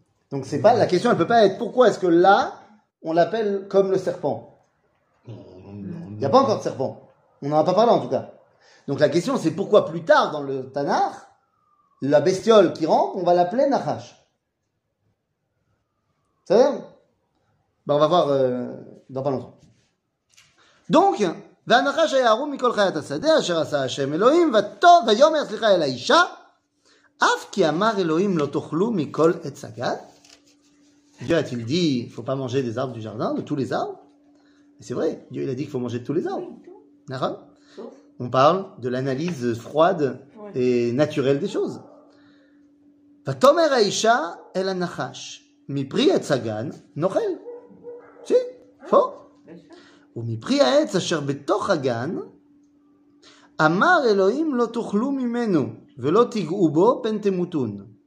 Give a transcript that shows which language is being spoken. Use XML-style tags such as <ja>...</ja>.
<fr>Donc, c'est pas, la question, elle ne peut pas être pourquoi est-ce que là, on l'appelle comme le serpent ? Il n'y a pas encore de serpent. On n'en a pas parlé, en tout cas. Donc, la question, c'est pourquoi plus tard, dans le Tanakh, la bestiole qui rentre, on va l'appeler Nahash. Ça va ? Ben, on va voir dans pas longtemps.</fr> <he>Donc, והנחש היה ערום מכל חיית השדה אשר עשה השם אלוהים וטוב ויאמר סליחה אל האישה אף כי אמר אלוהים לא תאכלו מכל עץ הגן.</he> <fr>Dieu a-t-il dit il ne faut pas manger des arbres du jardin, de tous les arbres? C'est vrai, Dieu il a dit qu'il faut manger de tous les arbres. D'accord? On parle de l'analyse froide et naturelle des choses.</fr> <he>ותאמר האישה אל הנחש מפרי עץ הגן נאכל.</he> <fr>Si, faux.</fr> <he>ומפרי העץ אשר בתוך הגן אמר אלוהים לא תאכלו ממנו ולא תגעו בו פן תמותון.</he>